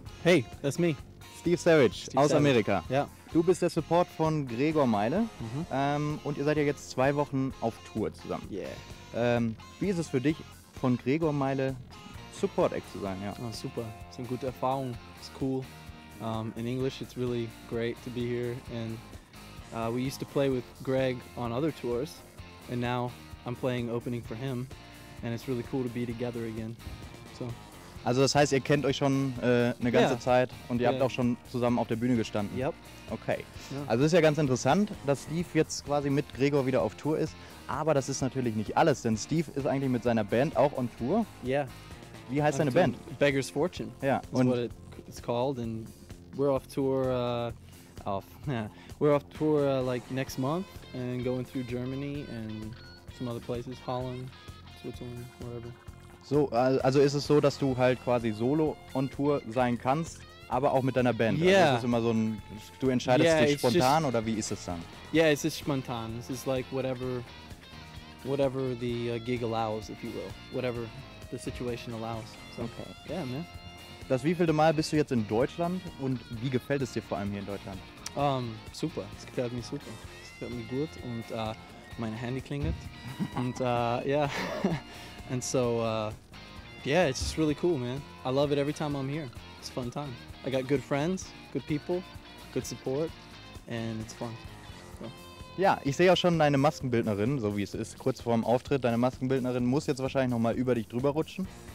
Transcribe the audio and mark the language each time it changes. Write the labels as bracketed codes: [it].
[en] Hey, that's me. [de] Steve Savage Steve aus Savage. Amerika. Ja. Du bist der Support von Gregor Meile. Mhm. Und ihr seid ja jetzt 2 Wochen auf Tour zusammen. [en] Yeah. [de] Wie ist es für dich, von Gregor Meile Support Act zu sein? Ja. Oh, super. Es ist eine gute Erfahrung. Es ist cool. [en] In English it's really great to be here. And we used to play with Greg on other tours. And now I'm playing opening for him and it's really cool to be together again. So. [de] Also das heißt, ihr kennt euch schon eine ganze Zeit und ihr habt auch schon zusammen auf der Bühne gestanden. [en] Yep. Okay. Yeah. [de] Also es ist ja ganz interessant, dass Steve jetzt quasi mit Gregor wieder auf Tour ist, aber das ist natürlich nicht alles, denn Steve ist eigentlich mit seiner Band auch on Tour. [en] Yeah. [de] Wie heißt seine Band? [en] Beggar's Fortune. Yeah. Is what it's called and we're off tour we're off tour like next month and going through Germany and some other places, Holland, Switzerland, wherever. [de] So, also ist es so, dass du halt quasi solo on tour sein kannst, aber auch mit deiner Band? [en] Yeah. [de] Also ist es immer so ein, du entscheidest dich spontan just, oder wie ist es dann? [en] Yeah, it's just spontan. It's just like whatever the gig allows, if you will. Whatever the situation allows. So, okay. Yeah, man. [de] Das wievielte Mal bist du jetzt in Deutschland und wie gefällt es dir vor allem hier in Deutschland? Super, es gefällt mir super. Es gefällt mir gut und mein Handy klingelt. [en] Und And so, it's just really cool, man. I love it every time I'm here. It's a fun time. I got good friends, good people, good support and it's fun. So. [de] Ja, ich sehe auch schon deine Maskenbildnerin, so wie es ist, kurz vor dem Auftritt. Deine Maskenbildnerin muss jetzt wahrscheinlich nochmal über dich drüber rutschen.